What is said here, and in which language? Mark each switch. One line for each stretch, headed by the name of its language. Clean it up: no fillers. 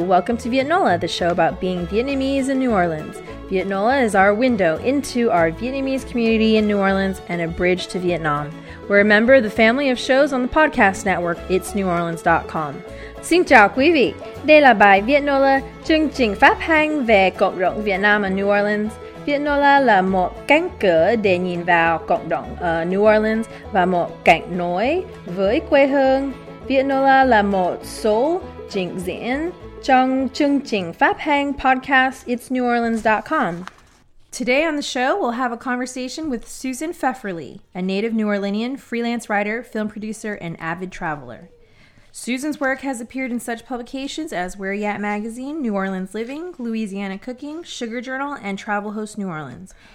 English: Welcome to Vietnola, the show about being Vietnamese in New Orleans. Vietnola is our window into our Vietnamese community in New Orleans and a bridge to Vietnam. We're a member of the family of shows on the podcast network, itsneworleans.com.
Vietnamese: Xin chào quý vị. Đây là bài Vietnola chương trình phát hành về cộng đồng Việt Nam ở New Orleans. Vietnola là một cánh cửa để nhìn vào cộng đồng ở New Orleans và một cánh nối với quê hương. Vietnola là một số trình diễn trong chương trình phát hành podcast itsneworleans.com.
English: Today on the show, we'll have a conversation with Susan Pfefferly, a native New Orleanian freelance writer, film producer, and avid traveler. Susan's work has appeared in such publications as Where You At Magazine, New Orleans Living, Louisiana Cooking, Sugar Journal, and Travel Host New Orleans.